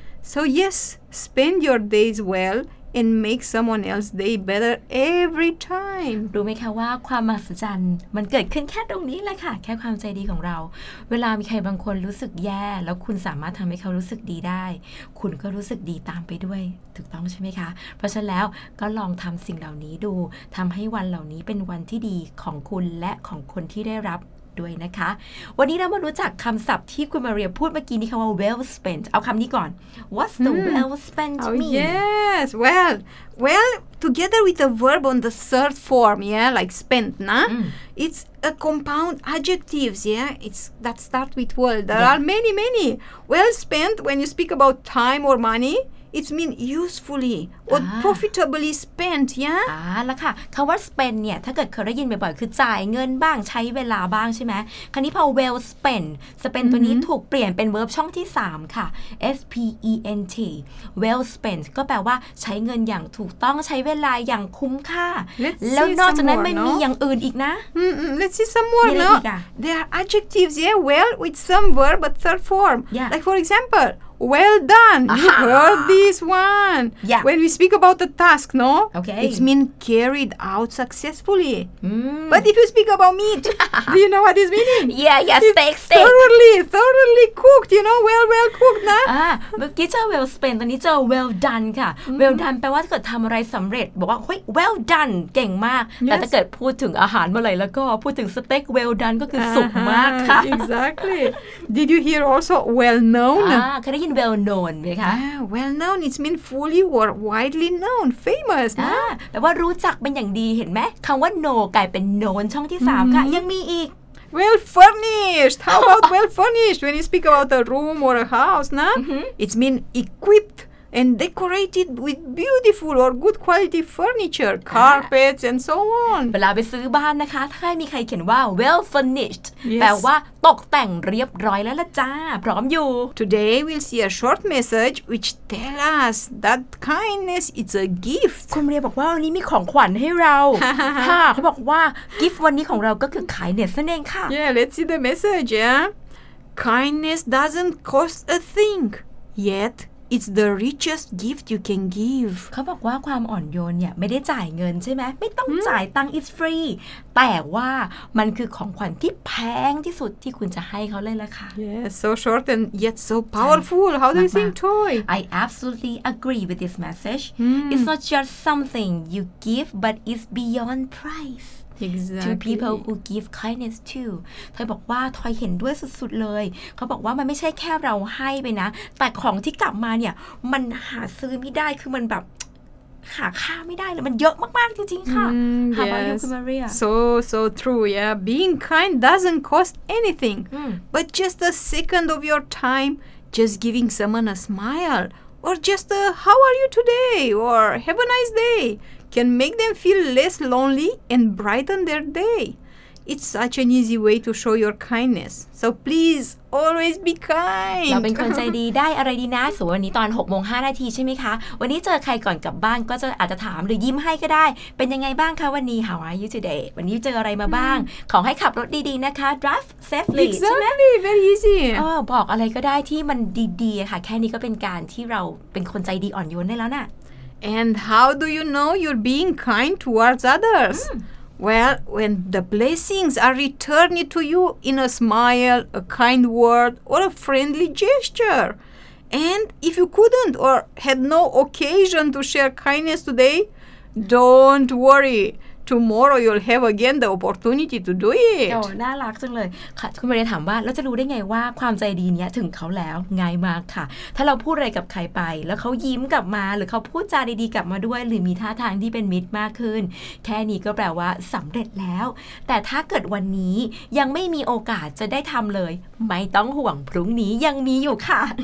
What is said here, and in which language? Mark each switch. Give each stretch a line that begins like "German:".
English: So yes, spend your days well and make someone else's day better every time.
Thai: รู้ไหมคะว่าความมหัศจรรย์มันเกิดขึ้นแค่ตรงนี้แหละค่ะแค่ความใจดีของเราเวลามีใครบางคนรู้สึกแย่แล้วคุณสามารถทำให้เขารู้สึกดีได้คุณก็รู้สึกดีตามไปด้วยถูกต้องใช่ไหมคะเพราะฉะนั้นแล้วก็ลองทำสิ่งเหล่านี้ดูทำให้วันเหล่านี้เป็นวันที่ดีของคุณและของคนที่ได้รับด้วยนะคะวันนี้เรามารู้จักคำศัพท์ที่คุณมาเรียพูดเมื่อกี้นี้คำว่า well spent เอาคำนี้ก่อน
English: what's the well spent mean yes well together with a verb on the third form yeah like spent
Thai: นะ
English: it's a compound adjectives yeah it's that start with well there are many well spent when you speak about time or moneyIt means usefully or profitably spent, yeah?
Thai: แล้วค่ะคำว่า spend เนี่ยถ้าเกิดเคยได้ยินบ่อยๆคือจ่ายเงินบ้างใช้เวลาบ้างใช่ไหมคราวนี้พอ well spent ตัวนี้ถูกเปลี่ยนเป็น verb ช่องที่3ค่ะ spent well spent ก็แปลว่าใช้เงินอย่างถูกต้องใช้เวลาอย่างคุ้มค่าแล้วนอกจากนั้นมันมีอย่างอื่นอีกนะ
English: Let's see some more, no? There are adjectives, yeah, well with some verb but third form. Yeah. Like for example,Well done. You heard this one. Yeah. When we speak about the task, no? Okay. It means carried out successfully. But if you speak about meat, do you know what this meaning? Yeah, steak. Thoroughly cooked, you know, well cooked, nah?
Thai: เมื่อกี้เจอ well spent, ตอนนี้เจอ well done ค่ะ Well done แปลว่าถ้าเกิดทำอะไรสำเร็จบอกว่าเฮ้ย well done เก่งมาก แต่ถ้าเกิดพูดถึงอาหารเมื่อไหร่แล้วก็พูดถึงสเต็ก well done ก็คือสุกมากค่ะ
English: Exactly. Did you hear also well known?
Thai: เคยได้ยิน well known ไหมคะ
English: Well known, it means fully or widely widely known famous
Thai: นะ แปลว่ารู้จักเป็นอย่างดีเห็นไหมคำว่า know กลายเป็น known ช่องที่3ค่ะยังมีอีก
English: well furnished how about well furnished when you speak about a room or a house
Thai: นะ
English: it's mean equippedand decorated with beautiful or good quality furniture, carpets, and so on.
Thai: เวลาไปซื้อบ้านนะคะถ้ามีใครเขียนว่า well furnished
English: yes.
Thai: แปลว่าตกแต่งเรียบร้อยแล้วล่ะจ้าพร้อมอยู่
English: Today we'll see a short message which tell us that kindness is a gift.
Thai: คุณเรียบอกว่าวันนี้มีของขวัญให้เราค่ะเขาบอกว่า gift วันนี้ของเราก็คือ kindness นั่นเองค่ะ
English: Yeah, let's see the message, yeah? Kindness doesn't cost a thing, yet... It's the richest gift you can give.
Thai: เขาบอกว่าความอ่อนโยนเนี่ยไม่ได้จ่ายเงินใช่ไหมไม่ต้องจ่ายตังค์
English: It's free.
Thai: แต่ว่ามันคือของขวัญที่แพงที่สุดที่คุณจะให้เขาเลยล่ะค่ะ
English: Yes, so short and yet so powerful. How do you think, Toy? I absolutely agree with this message. Hmm. It's not just something you give, but it's beyond price. Exactly. To people who give kindness too.
Thai: ทอยบอกว่าทอยเห็นด้วยสุดๆเลยเขาบอกว่ามันไม่ใช่แค่เราให้ไปนะแต่ของที่กลับมาเนี่ยมันหาซื้อไม่ได้คือมันแบบหาค่าไม่ได้เลยมันเยอะมากๆจริงๆค่ะ
English: How about you, Maria? So true, yeah. Being kind doesn't cost anything. But just a second of your time, just giving someone a smile. Or just a how are you today? Or have a nice day. Can make them feel less lonely and brighten their day. It's such an easy way to show your kindness. So please always be kind.
Thai: เราเป็นคนใจดีได้อะไรดีนะสมมติวันนี้ตอน 6:05 นาทีใช่ไหมคะวันนี้เจอใครก่อนกลับบ้านก็จะอาจจะถามหรือยิ้มให้ก็ได้เป็นยังไงบ้างคะวันนี้
English: How are you today?
Thai: วันนี้เจออะไรมาบ้างขอให้ขับรถดีๆนะคะ
English: Drive safely exactly.
Thai: ใช่ไหม
English: Very easy.
Thai: บอกอะไรก็ได้ที่มันดีๆค่ะแค่นี้ก็เป็นการที่เราเป็นคนใจดีอ่อนโยนได้แล้วนะ
English: And how do you know you're being kind towards others? Well, when the blessings are returned to you in a smile, a kind word, or a friendly gesture. And if you couldn't or had no occasion to share kindness today, don't worry. Tomorrow you'll have again the opportunity to do it.
Thai: โอ้น่ารักจังเลยค่ะคุณไปเรียนถามว่าเราจะรู้ได้ไงว่าความใจดีเนี้ยถึงเขาแล้วง่ายมากค่ะถ้าเราพูดอะไรกับใครไปแล้วเขายิ้มกลับมาหรือเขาพูดจาดีๆกลับมาด้วยหรือมีท่าทางที่เป็นมิตรมากขึ้นแค่นี้ก็แปลว่าสำเร็จแล้วแต่ถ้าเกิดวันนี้ยังไม่มีโอกาสจะได้ทำเลยไม่ต้องห่วงพรุ่งนี้ยังมีอยู่ค่ะ